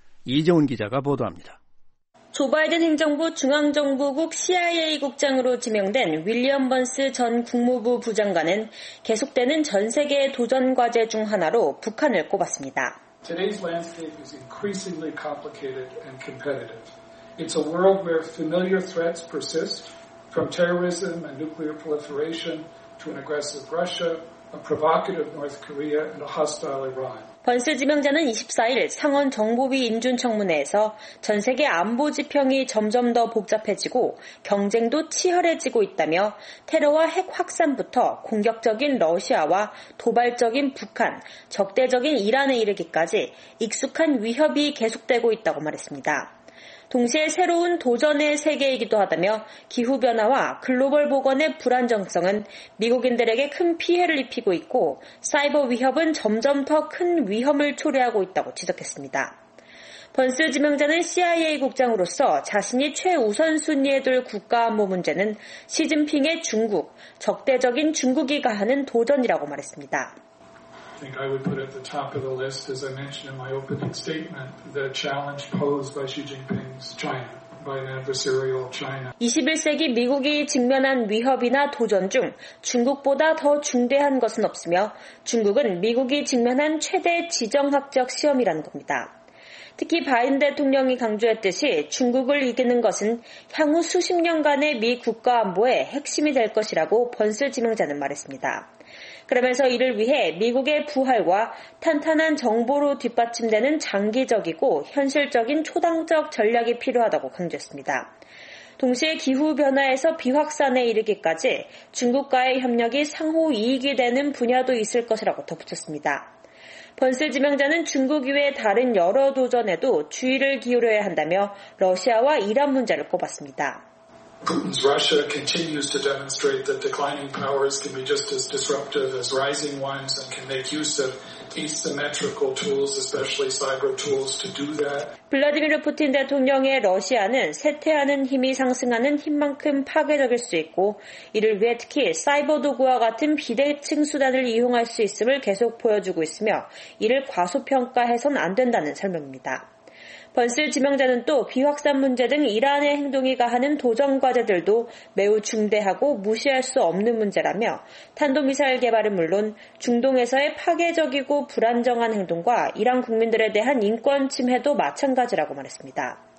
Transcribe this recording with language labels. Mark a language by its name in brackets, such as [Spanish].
[Korean] 이정훈 기자가 보도합니다. 조 바이든 행정부 중앙정보국 CIA 국장으로 지명된 윌리엄 번스 전 국무부 부장관은 계속되는 전 세계의 도전 과제 중 하나로 북한을 꼽았습니다. [English] Today's landscape is increasingly complicated and competitive. It's a world where familiar threats persist, from terrorism and nuclear proliferation to an aggressive Russia, a provocative North Korea, and a hostile Iran. [Korean] 번스 지명자는 24일 상원 정보위 인준청문회에서 전 세계 안보 지평이 점점 더 복잡해지고 경쟁도 치열해지고 있다며 테러와 핵 확산부터 공격적인 러시아와 도발적인 북한, 적대적인 이란에 이르기까지 익숙한 위협이 계속되고 있다고 말했습니다. 동시에 새로운 도전의 세계이기도 하다며 기후변화와 글로벌 복원의 불안정성은 미국인들에게 큰 피해를 입히고 있고 사이버 위협은 점점 더 큰 위험을 초래하고 있다고 지적했습니다. 번스 지명자는 CIA 국장으로서 자신이 최우선순위에 둘 국가안보 문제는 시진핑의 중국, 적대적인 중국이 가하는 도전이라고 말했습니다. [English] I think I would put at the top of the list, as I mentioned in my opening statement, the challenge posed by Xi Jinping's China, by an adversarial China. [Korean] 21세기 미국이 직면한 위협이나 도전 중 중국보다 더 중대한 것은 없으며 중국은 미국이 직면한 최대 지정학적 시험이라는 겁니다. 특히 바이든 대통령이 강조했듯이 중국을 이기는 것은 향후 수십 년간의 미 국가 안보의 핵심이 될 것이라고 번스 지명자는 말했습니다. 그러면서 이를 위해 미국의 부활과 탄탄한 정보로 뒷받침되는 장기적이고 현실적인 초당적 전략이 필요하다고 강조했습니다. 동시에 기후변화에서 비확산에 이르기까지 중국과의 협력이 상호 이익이 되는 분야도 있을 것이라고 덧붙였습니다. 번스 지명자는 중국 이외 다른 여러 도전에도 주의를 기울여야 한다며 러시아와 이란 문제를 꼽았습니다. [English] Putin's Russia continues to demonstrate that declining powers can be just as disruptive as rising ones and can make use of asymmetrical tools, especially cyber tools, to do that. [Korean] 블라디미르 푸틴 대통령의 러시아는 쇠퇴하는 힘이 상승하는 힘만큼 파괴적일 수 있고 이를 위해 특히 사이버 도구와 같은 비대칭 수단을 이용할 수 있음을 계속 보여주고 있으며 이를 과소평가해선 안 된다는 설명입니다. 번스 지명자는 또 비확산 문제 등 이란의 행동이 가하는 도전 과제들도 매우 중대하고 무시할 수 없는 문제라며 탄도미사일 개발은 물론 중동에서의 파괴적이고 불안정한 행동과 이란 국민들에 대한 인권 침해도 마찬가지라고 말했습니다.